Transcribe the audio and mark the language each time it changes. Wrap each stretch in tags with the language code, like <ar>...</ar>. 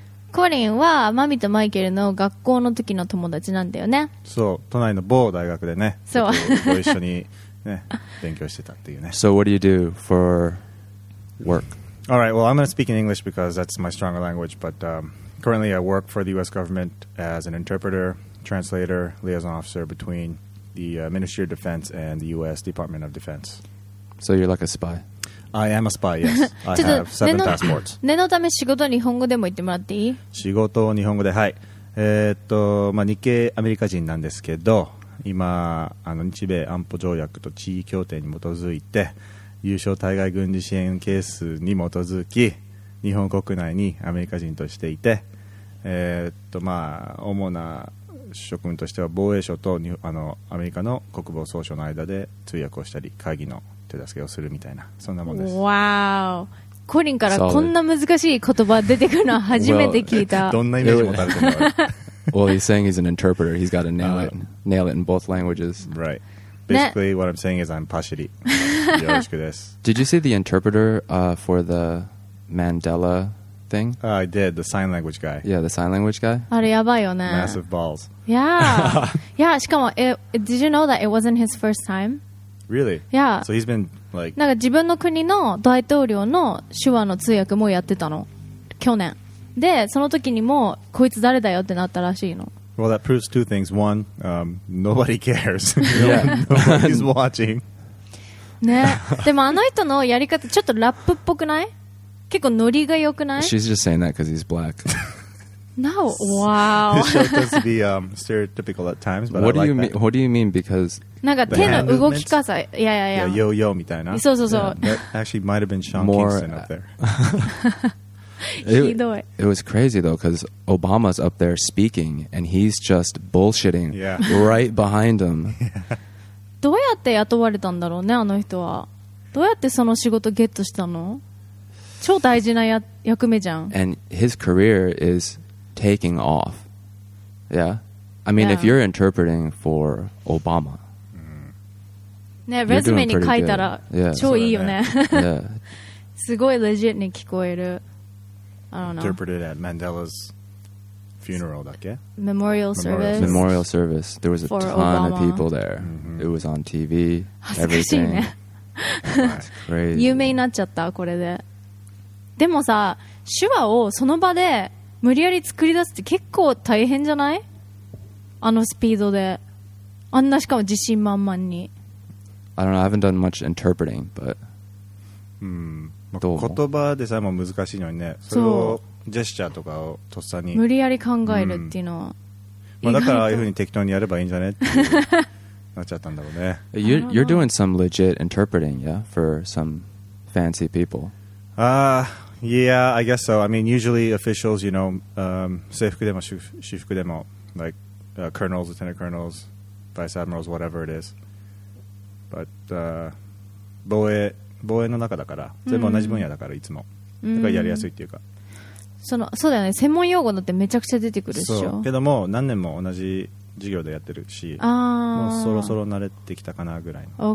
<ja>コリンはマミとマイケルの学校の時の友達なんだよね。そう、都内の某大学でね、そうご一緒に、ね、勉強してたっていうね。</ja> <en>So what do you do for work? Alright, well I'm going to speak in English because that's my stronger language, but currently I work for the US government as an interpreter, translator, liaison officer between the Ministry of Defense and the US Department of Defense. So you're like a spy? I am a spy, yes. I have seven passports.</en> <ja>念のため仕事は日本語でも言ってもらっていい？仕事を日本語で、はい。まあ、日系アメリカ人なんですけど、今あの日米安保条約と地位協定に基づいて、有償対外軍事支援ケースに基づき、日本国内にアメリカ人としていて、まあ、主な職務としては防衛省とあのアメリカの国防総省の間で通訳をしたり、会議の手助けをするみたいな、そんなもんです。わー、コリンからこんな難しい言葉出てくるのは初めて聞いた。どんなイメージ持たれてるの？</ja> <en>Well, he's saying he's an interpreter. He's got to nail it in both languages. Right. Basically, what I'm saying is I'm Pashiri.</en> <ja>よろしくです。</ja> <en>Did you see the interpreter for the Mandela thing? I did. The sign language guy. Yeah, the sign language guy.</en> <ja>あれやばいよね。</ja> <en>Massive balls. Yeah. Yeah.</en> <ja>しかも、</ja> <en>did you know that it wasn't his first time? Really? Yeah. So he's been like...</en> <ja>なんか自分の国の大統領の手話の通訳もやってたの、去年。で、その時にもこいつ誰だよってなったらしいの。</ja> <en>Well, that proves two things. One, nobody cares. Nobody's watching.</en> <ja>ね。でもあの人のやり方ちょっとラップっぽくない？結構ノリが良くない？</ja> <en>She's just saying that because he's black. No. Wow. This show does be stereotypical at times, but what I like do you that. Mean, what do you mean because...</en> <ja>なんか手の動きかさ、いやいやいや、ヨーヨーみたいな、そうそうそう、</ja> <en>actually might have been Sean Kingston up there.</en> <ja>ひどい。</ja> <en>It was crazy though, because Obama's up there speaking and he's just bullshitting right behind him.</en> <ja>どうやって雇われたんだろうね、あの人は。どうやってその仕事ゲットしたの？超大事な役目じゃん。</ja> <en>And his career is taking off. Yeah, I mean, if you're interpreting for Obama</en> <ja>ね、レズメに書いたら超いいよね。すごいレジェットに聞こえる。</ja> <en>Interpreted at Mandela's funeral,</en> <ja>だっけ？</ja> <en>Memorial service. Memorial service. There was a ton of people there. It was on TV.</en> <ja>恥ずかしいね。有名になっちゃったこれで。でもさ、手話をその場で無理やり作り出すって結構大変じゃない？あのスピードで、あんなしかも自信満々に。</ja> <en>I don't know, I haven't done much interpreting, but...</en> <ja>まあ、言葉でさえも難しいのにね、それをジェスチャーとかをとっさに無理やり考えるっていうのは、まあ、だからああいうふうに適当にやればいいんじゃねってなっちゃったんだろうね。</ja> <en>You're doing some legit interpreting, yeah? For some fancy people. Yeah, I guess so. I mean, usually officials, you know,</en> <ja>制服でも私服でも</ja> <en>like colonels, lieutenant colonels, vice admirals, whatever it is.</en> <ja>But, 防衛の中だから、全部同じ分野だから、いつも、だからやりやすいっていうか、その、そうだよね、専門用語だってめちゃくちゃ出てくるでしょ。そうけども、何年も同じ授業でやってるし、あ、もうそろそろ慣れてきたかなぐらいの。</ja>